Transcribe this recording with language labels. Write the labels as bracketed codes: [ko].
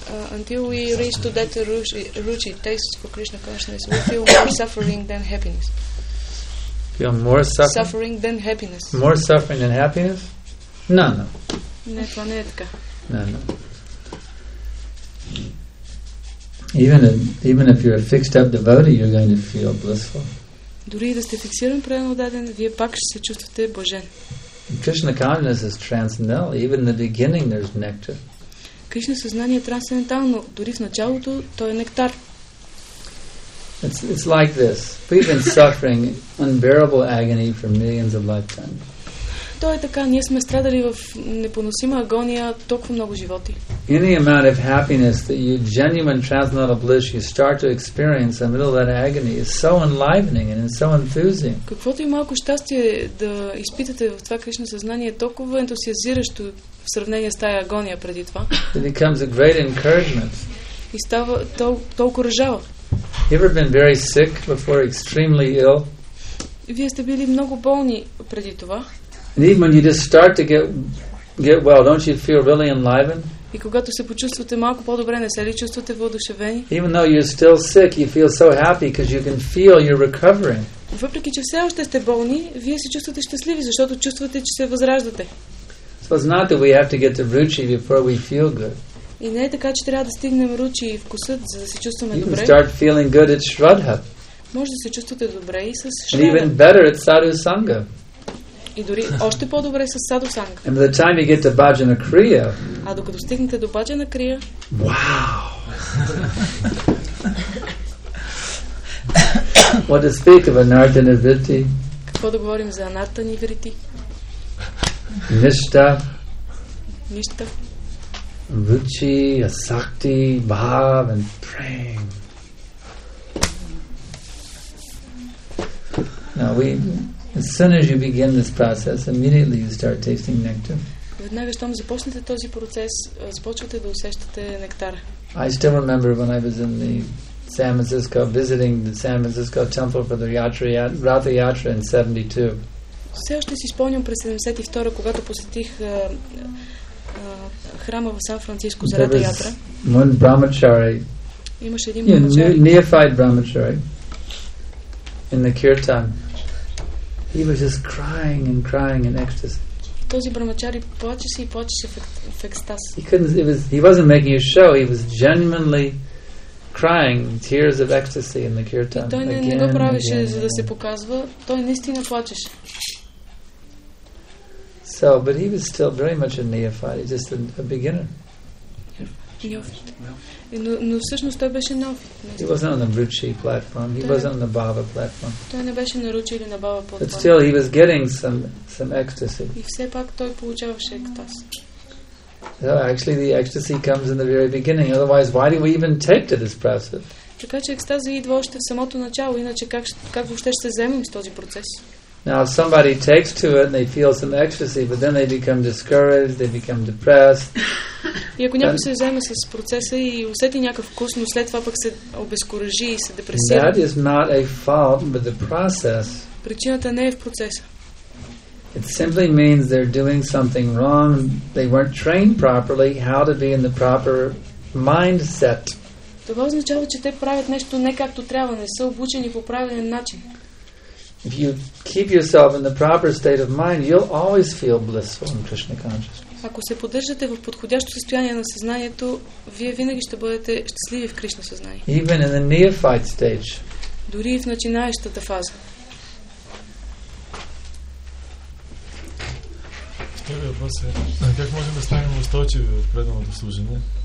[en] Until we reach to that ruchi taste for Krishna consciousness, we feel more suffering than happiness. Feel more suffering? Suffering than happiness. More suffering than happiness? No, no. [bg] Не, това не е така. [en] No, no. Even if you're a fixed up devotee, you're going to feel blissful. [bg] Дори да сте фиксиран правилно даден, вие пак ще се чувствате блажен. [en] Krishna consciousness is transcendental. Even in the beginning, there's nectar. [bg] Кришна съзнание е трансцендентално, дори в началото то е нектар. [en] It's like this. We've been suffering unbearable agony for millions of lifetimes. [bg] То е така, ние сме страдали в непоносима агония толкова много животи. [en] Any amount of happiness that you genuine transcendental bliss you start to experience in the middle of that agony is so enlivening and so enthusing. [bg] Каквото и малко щастие да изпитате в това Кришна съзнание, толкова ентусиазиращо в сравнение с тая агония преди това. [en] It becomes a great encouragement. [bg] И става толкова ръжава. [en] You ever been very sick before, extremely ill? [bg] Вие сте били много болни преди това. [en] And even when you just start to get well, don't you feel really enlivened? [bg] И когато се почувствате малко по-добре, не се ли чувствате въодушевени? [en] Even though you're still sick, you feel so happy because you can feel you're recovering. [bg] Въпреки че все още сте болни, вие се чувствате щастливи, защото чувствате, че се възраждате. [en] So it's not that we have to get the ruchi before we feel good. [bg] И не е така, че трябва да стигнем ручи и вкусът, за да се чувстваме добре. [en] You can start feeling good at Shraddha. [bg] Може да се чувствате добре и с Shraddha. [en] And even better at Sadhu Sangha. [bg] И дори още по-добре с Саду Санга. [en] And by the time you get to Bhajana Kriya. [bg] А докато стигнете до Bhajana Kriya. [en] Wow. What to speak of Anartana Vritti? [bg] Какво да говорим за Anartana Vritti? [en] Nishta. [bg] Nishta. [en] Ruchi, Asakti, Bhav and Prem. Now we as soon as you begin this process, immediately you start tasting nectar. [bg] Веднага щом започнете този процес, започвате да усещате нектара. [en] I still remember when I was in the San Francisco visiting the San Francisco temple for the Ratha Yatra in 72. [bg] Все още си спомням през 72-а, когато посетих храма в Сан Франциско за Ратха Ятра. [en] One brahmachari. [bg] Имаше един брахмачари. [en] Neophyte brahmachari in the kirtan. He was just crying and crying in ecstasy. [bg] Този брахмачари плачеше и плачеше в екстаз. [en] He wasn't making a show. He was genuinely crying tears of ecstasy in the kirtan. [bg] Той не го правеше за да се показва. Той наистина плачеше. [en] So, but he was still very much a neophyte, just a beginner. [bg] Но всъщност той беше нов. [en] He wasn't on the Ruchi platform. He wasn't on the Bhava platform. [bg] Той не беше на Ruchi или на Bhava платформа. [en] But still, he was getting some ecstasy. [bg] И все пак той получаваше екстаз. [en] So actually, the ecstasy comes in the very beginning. Otherwise, why do we even take to this process? [bg] Така че екстазът идва още в самото начало, иначе как въобще ще се вземем с този процес? [en] Now, if somebody takes to it and they feel some ecstasy, but then they become discouraged, they become depressed. [bg] И ако някой се вземе с процеса и усети някакъв вкус, но след това пък се обезкуражи и се депресира. [en] That is not a fault with the process. [bg] Причината не е в процеса. [en] It simply means they're doing something wrong. They weren't trained properly how to be in the proper mindset. [bg] Това означава, че те правят нещо не както трябва, не са обучени по правилен начин. [en] If you keep yourself in the proper state of mind, you'll always feel blissful in Krishna consciousness. [bg] Ако се поддържате в подходящо състояние на съзнанието, вие винаги ще бъдете щастливи в Кришна съзнание. [en] Even in the neophyte stage. [bg] Дори в начинаещата фаза. Вторият въпрос е, как можем да станем устойчиви в преданото служение?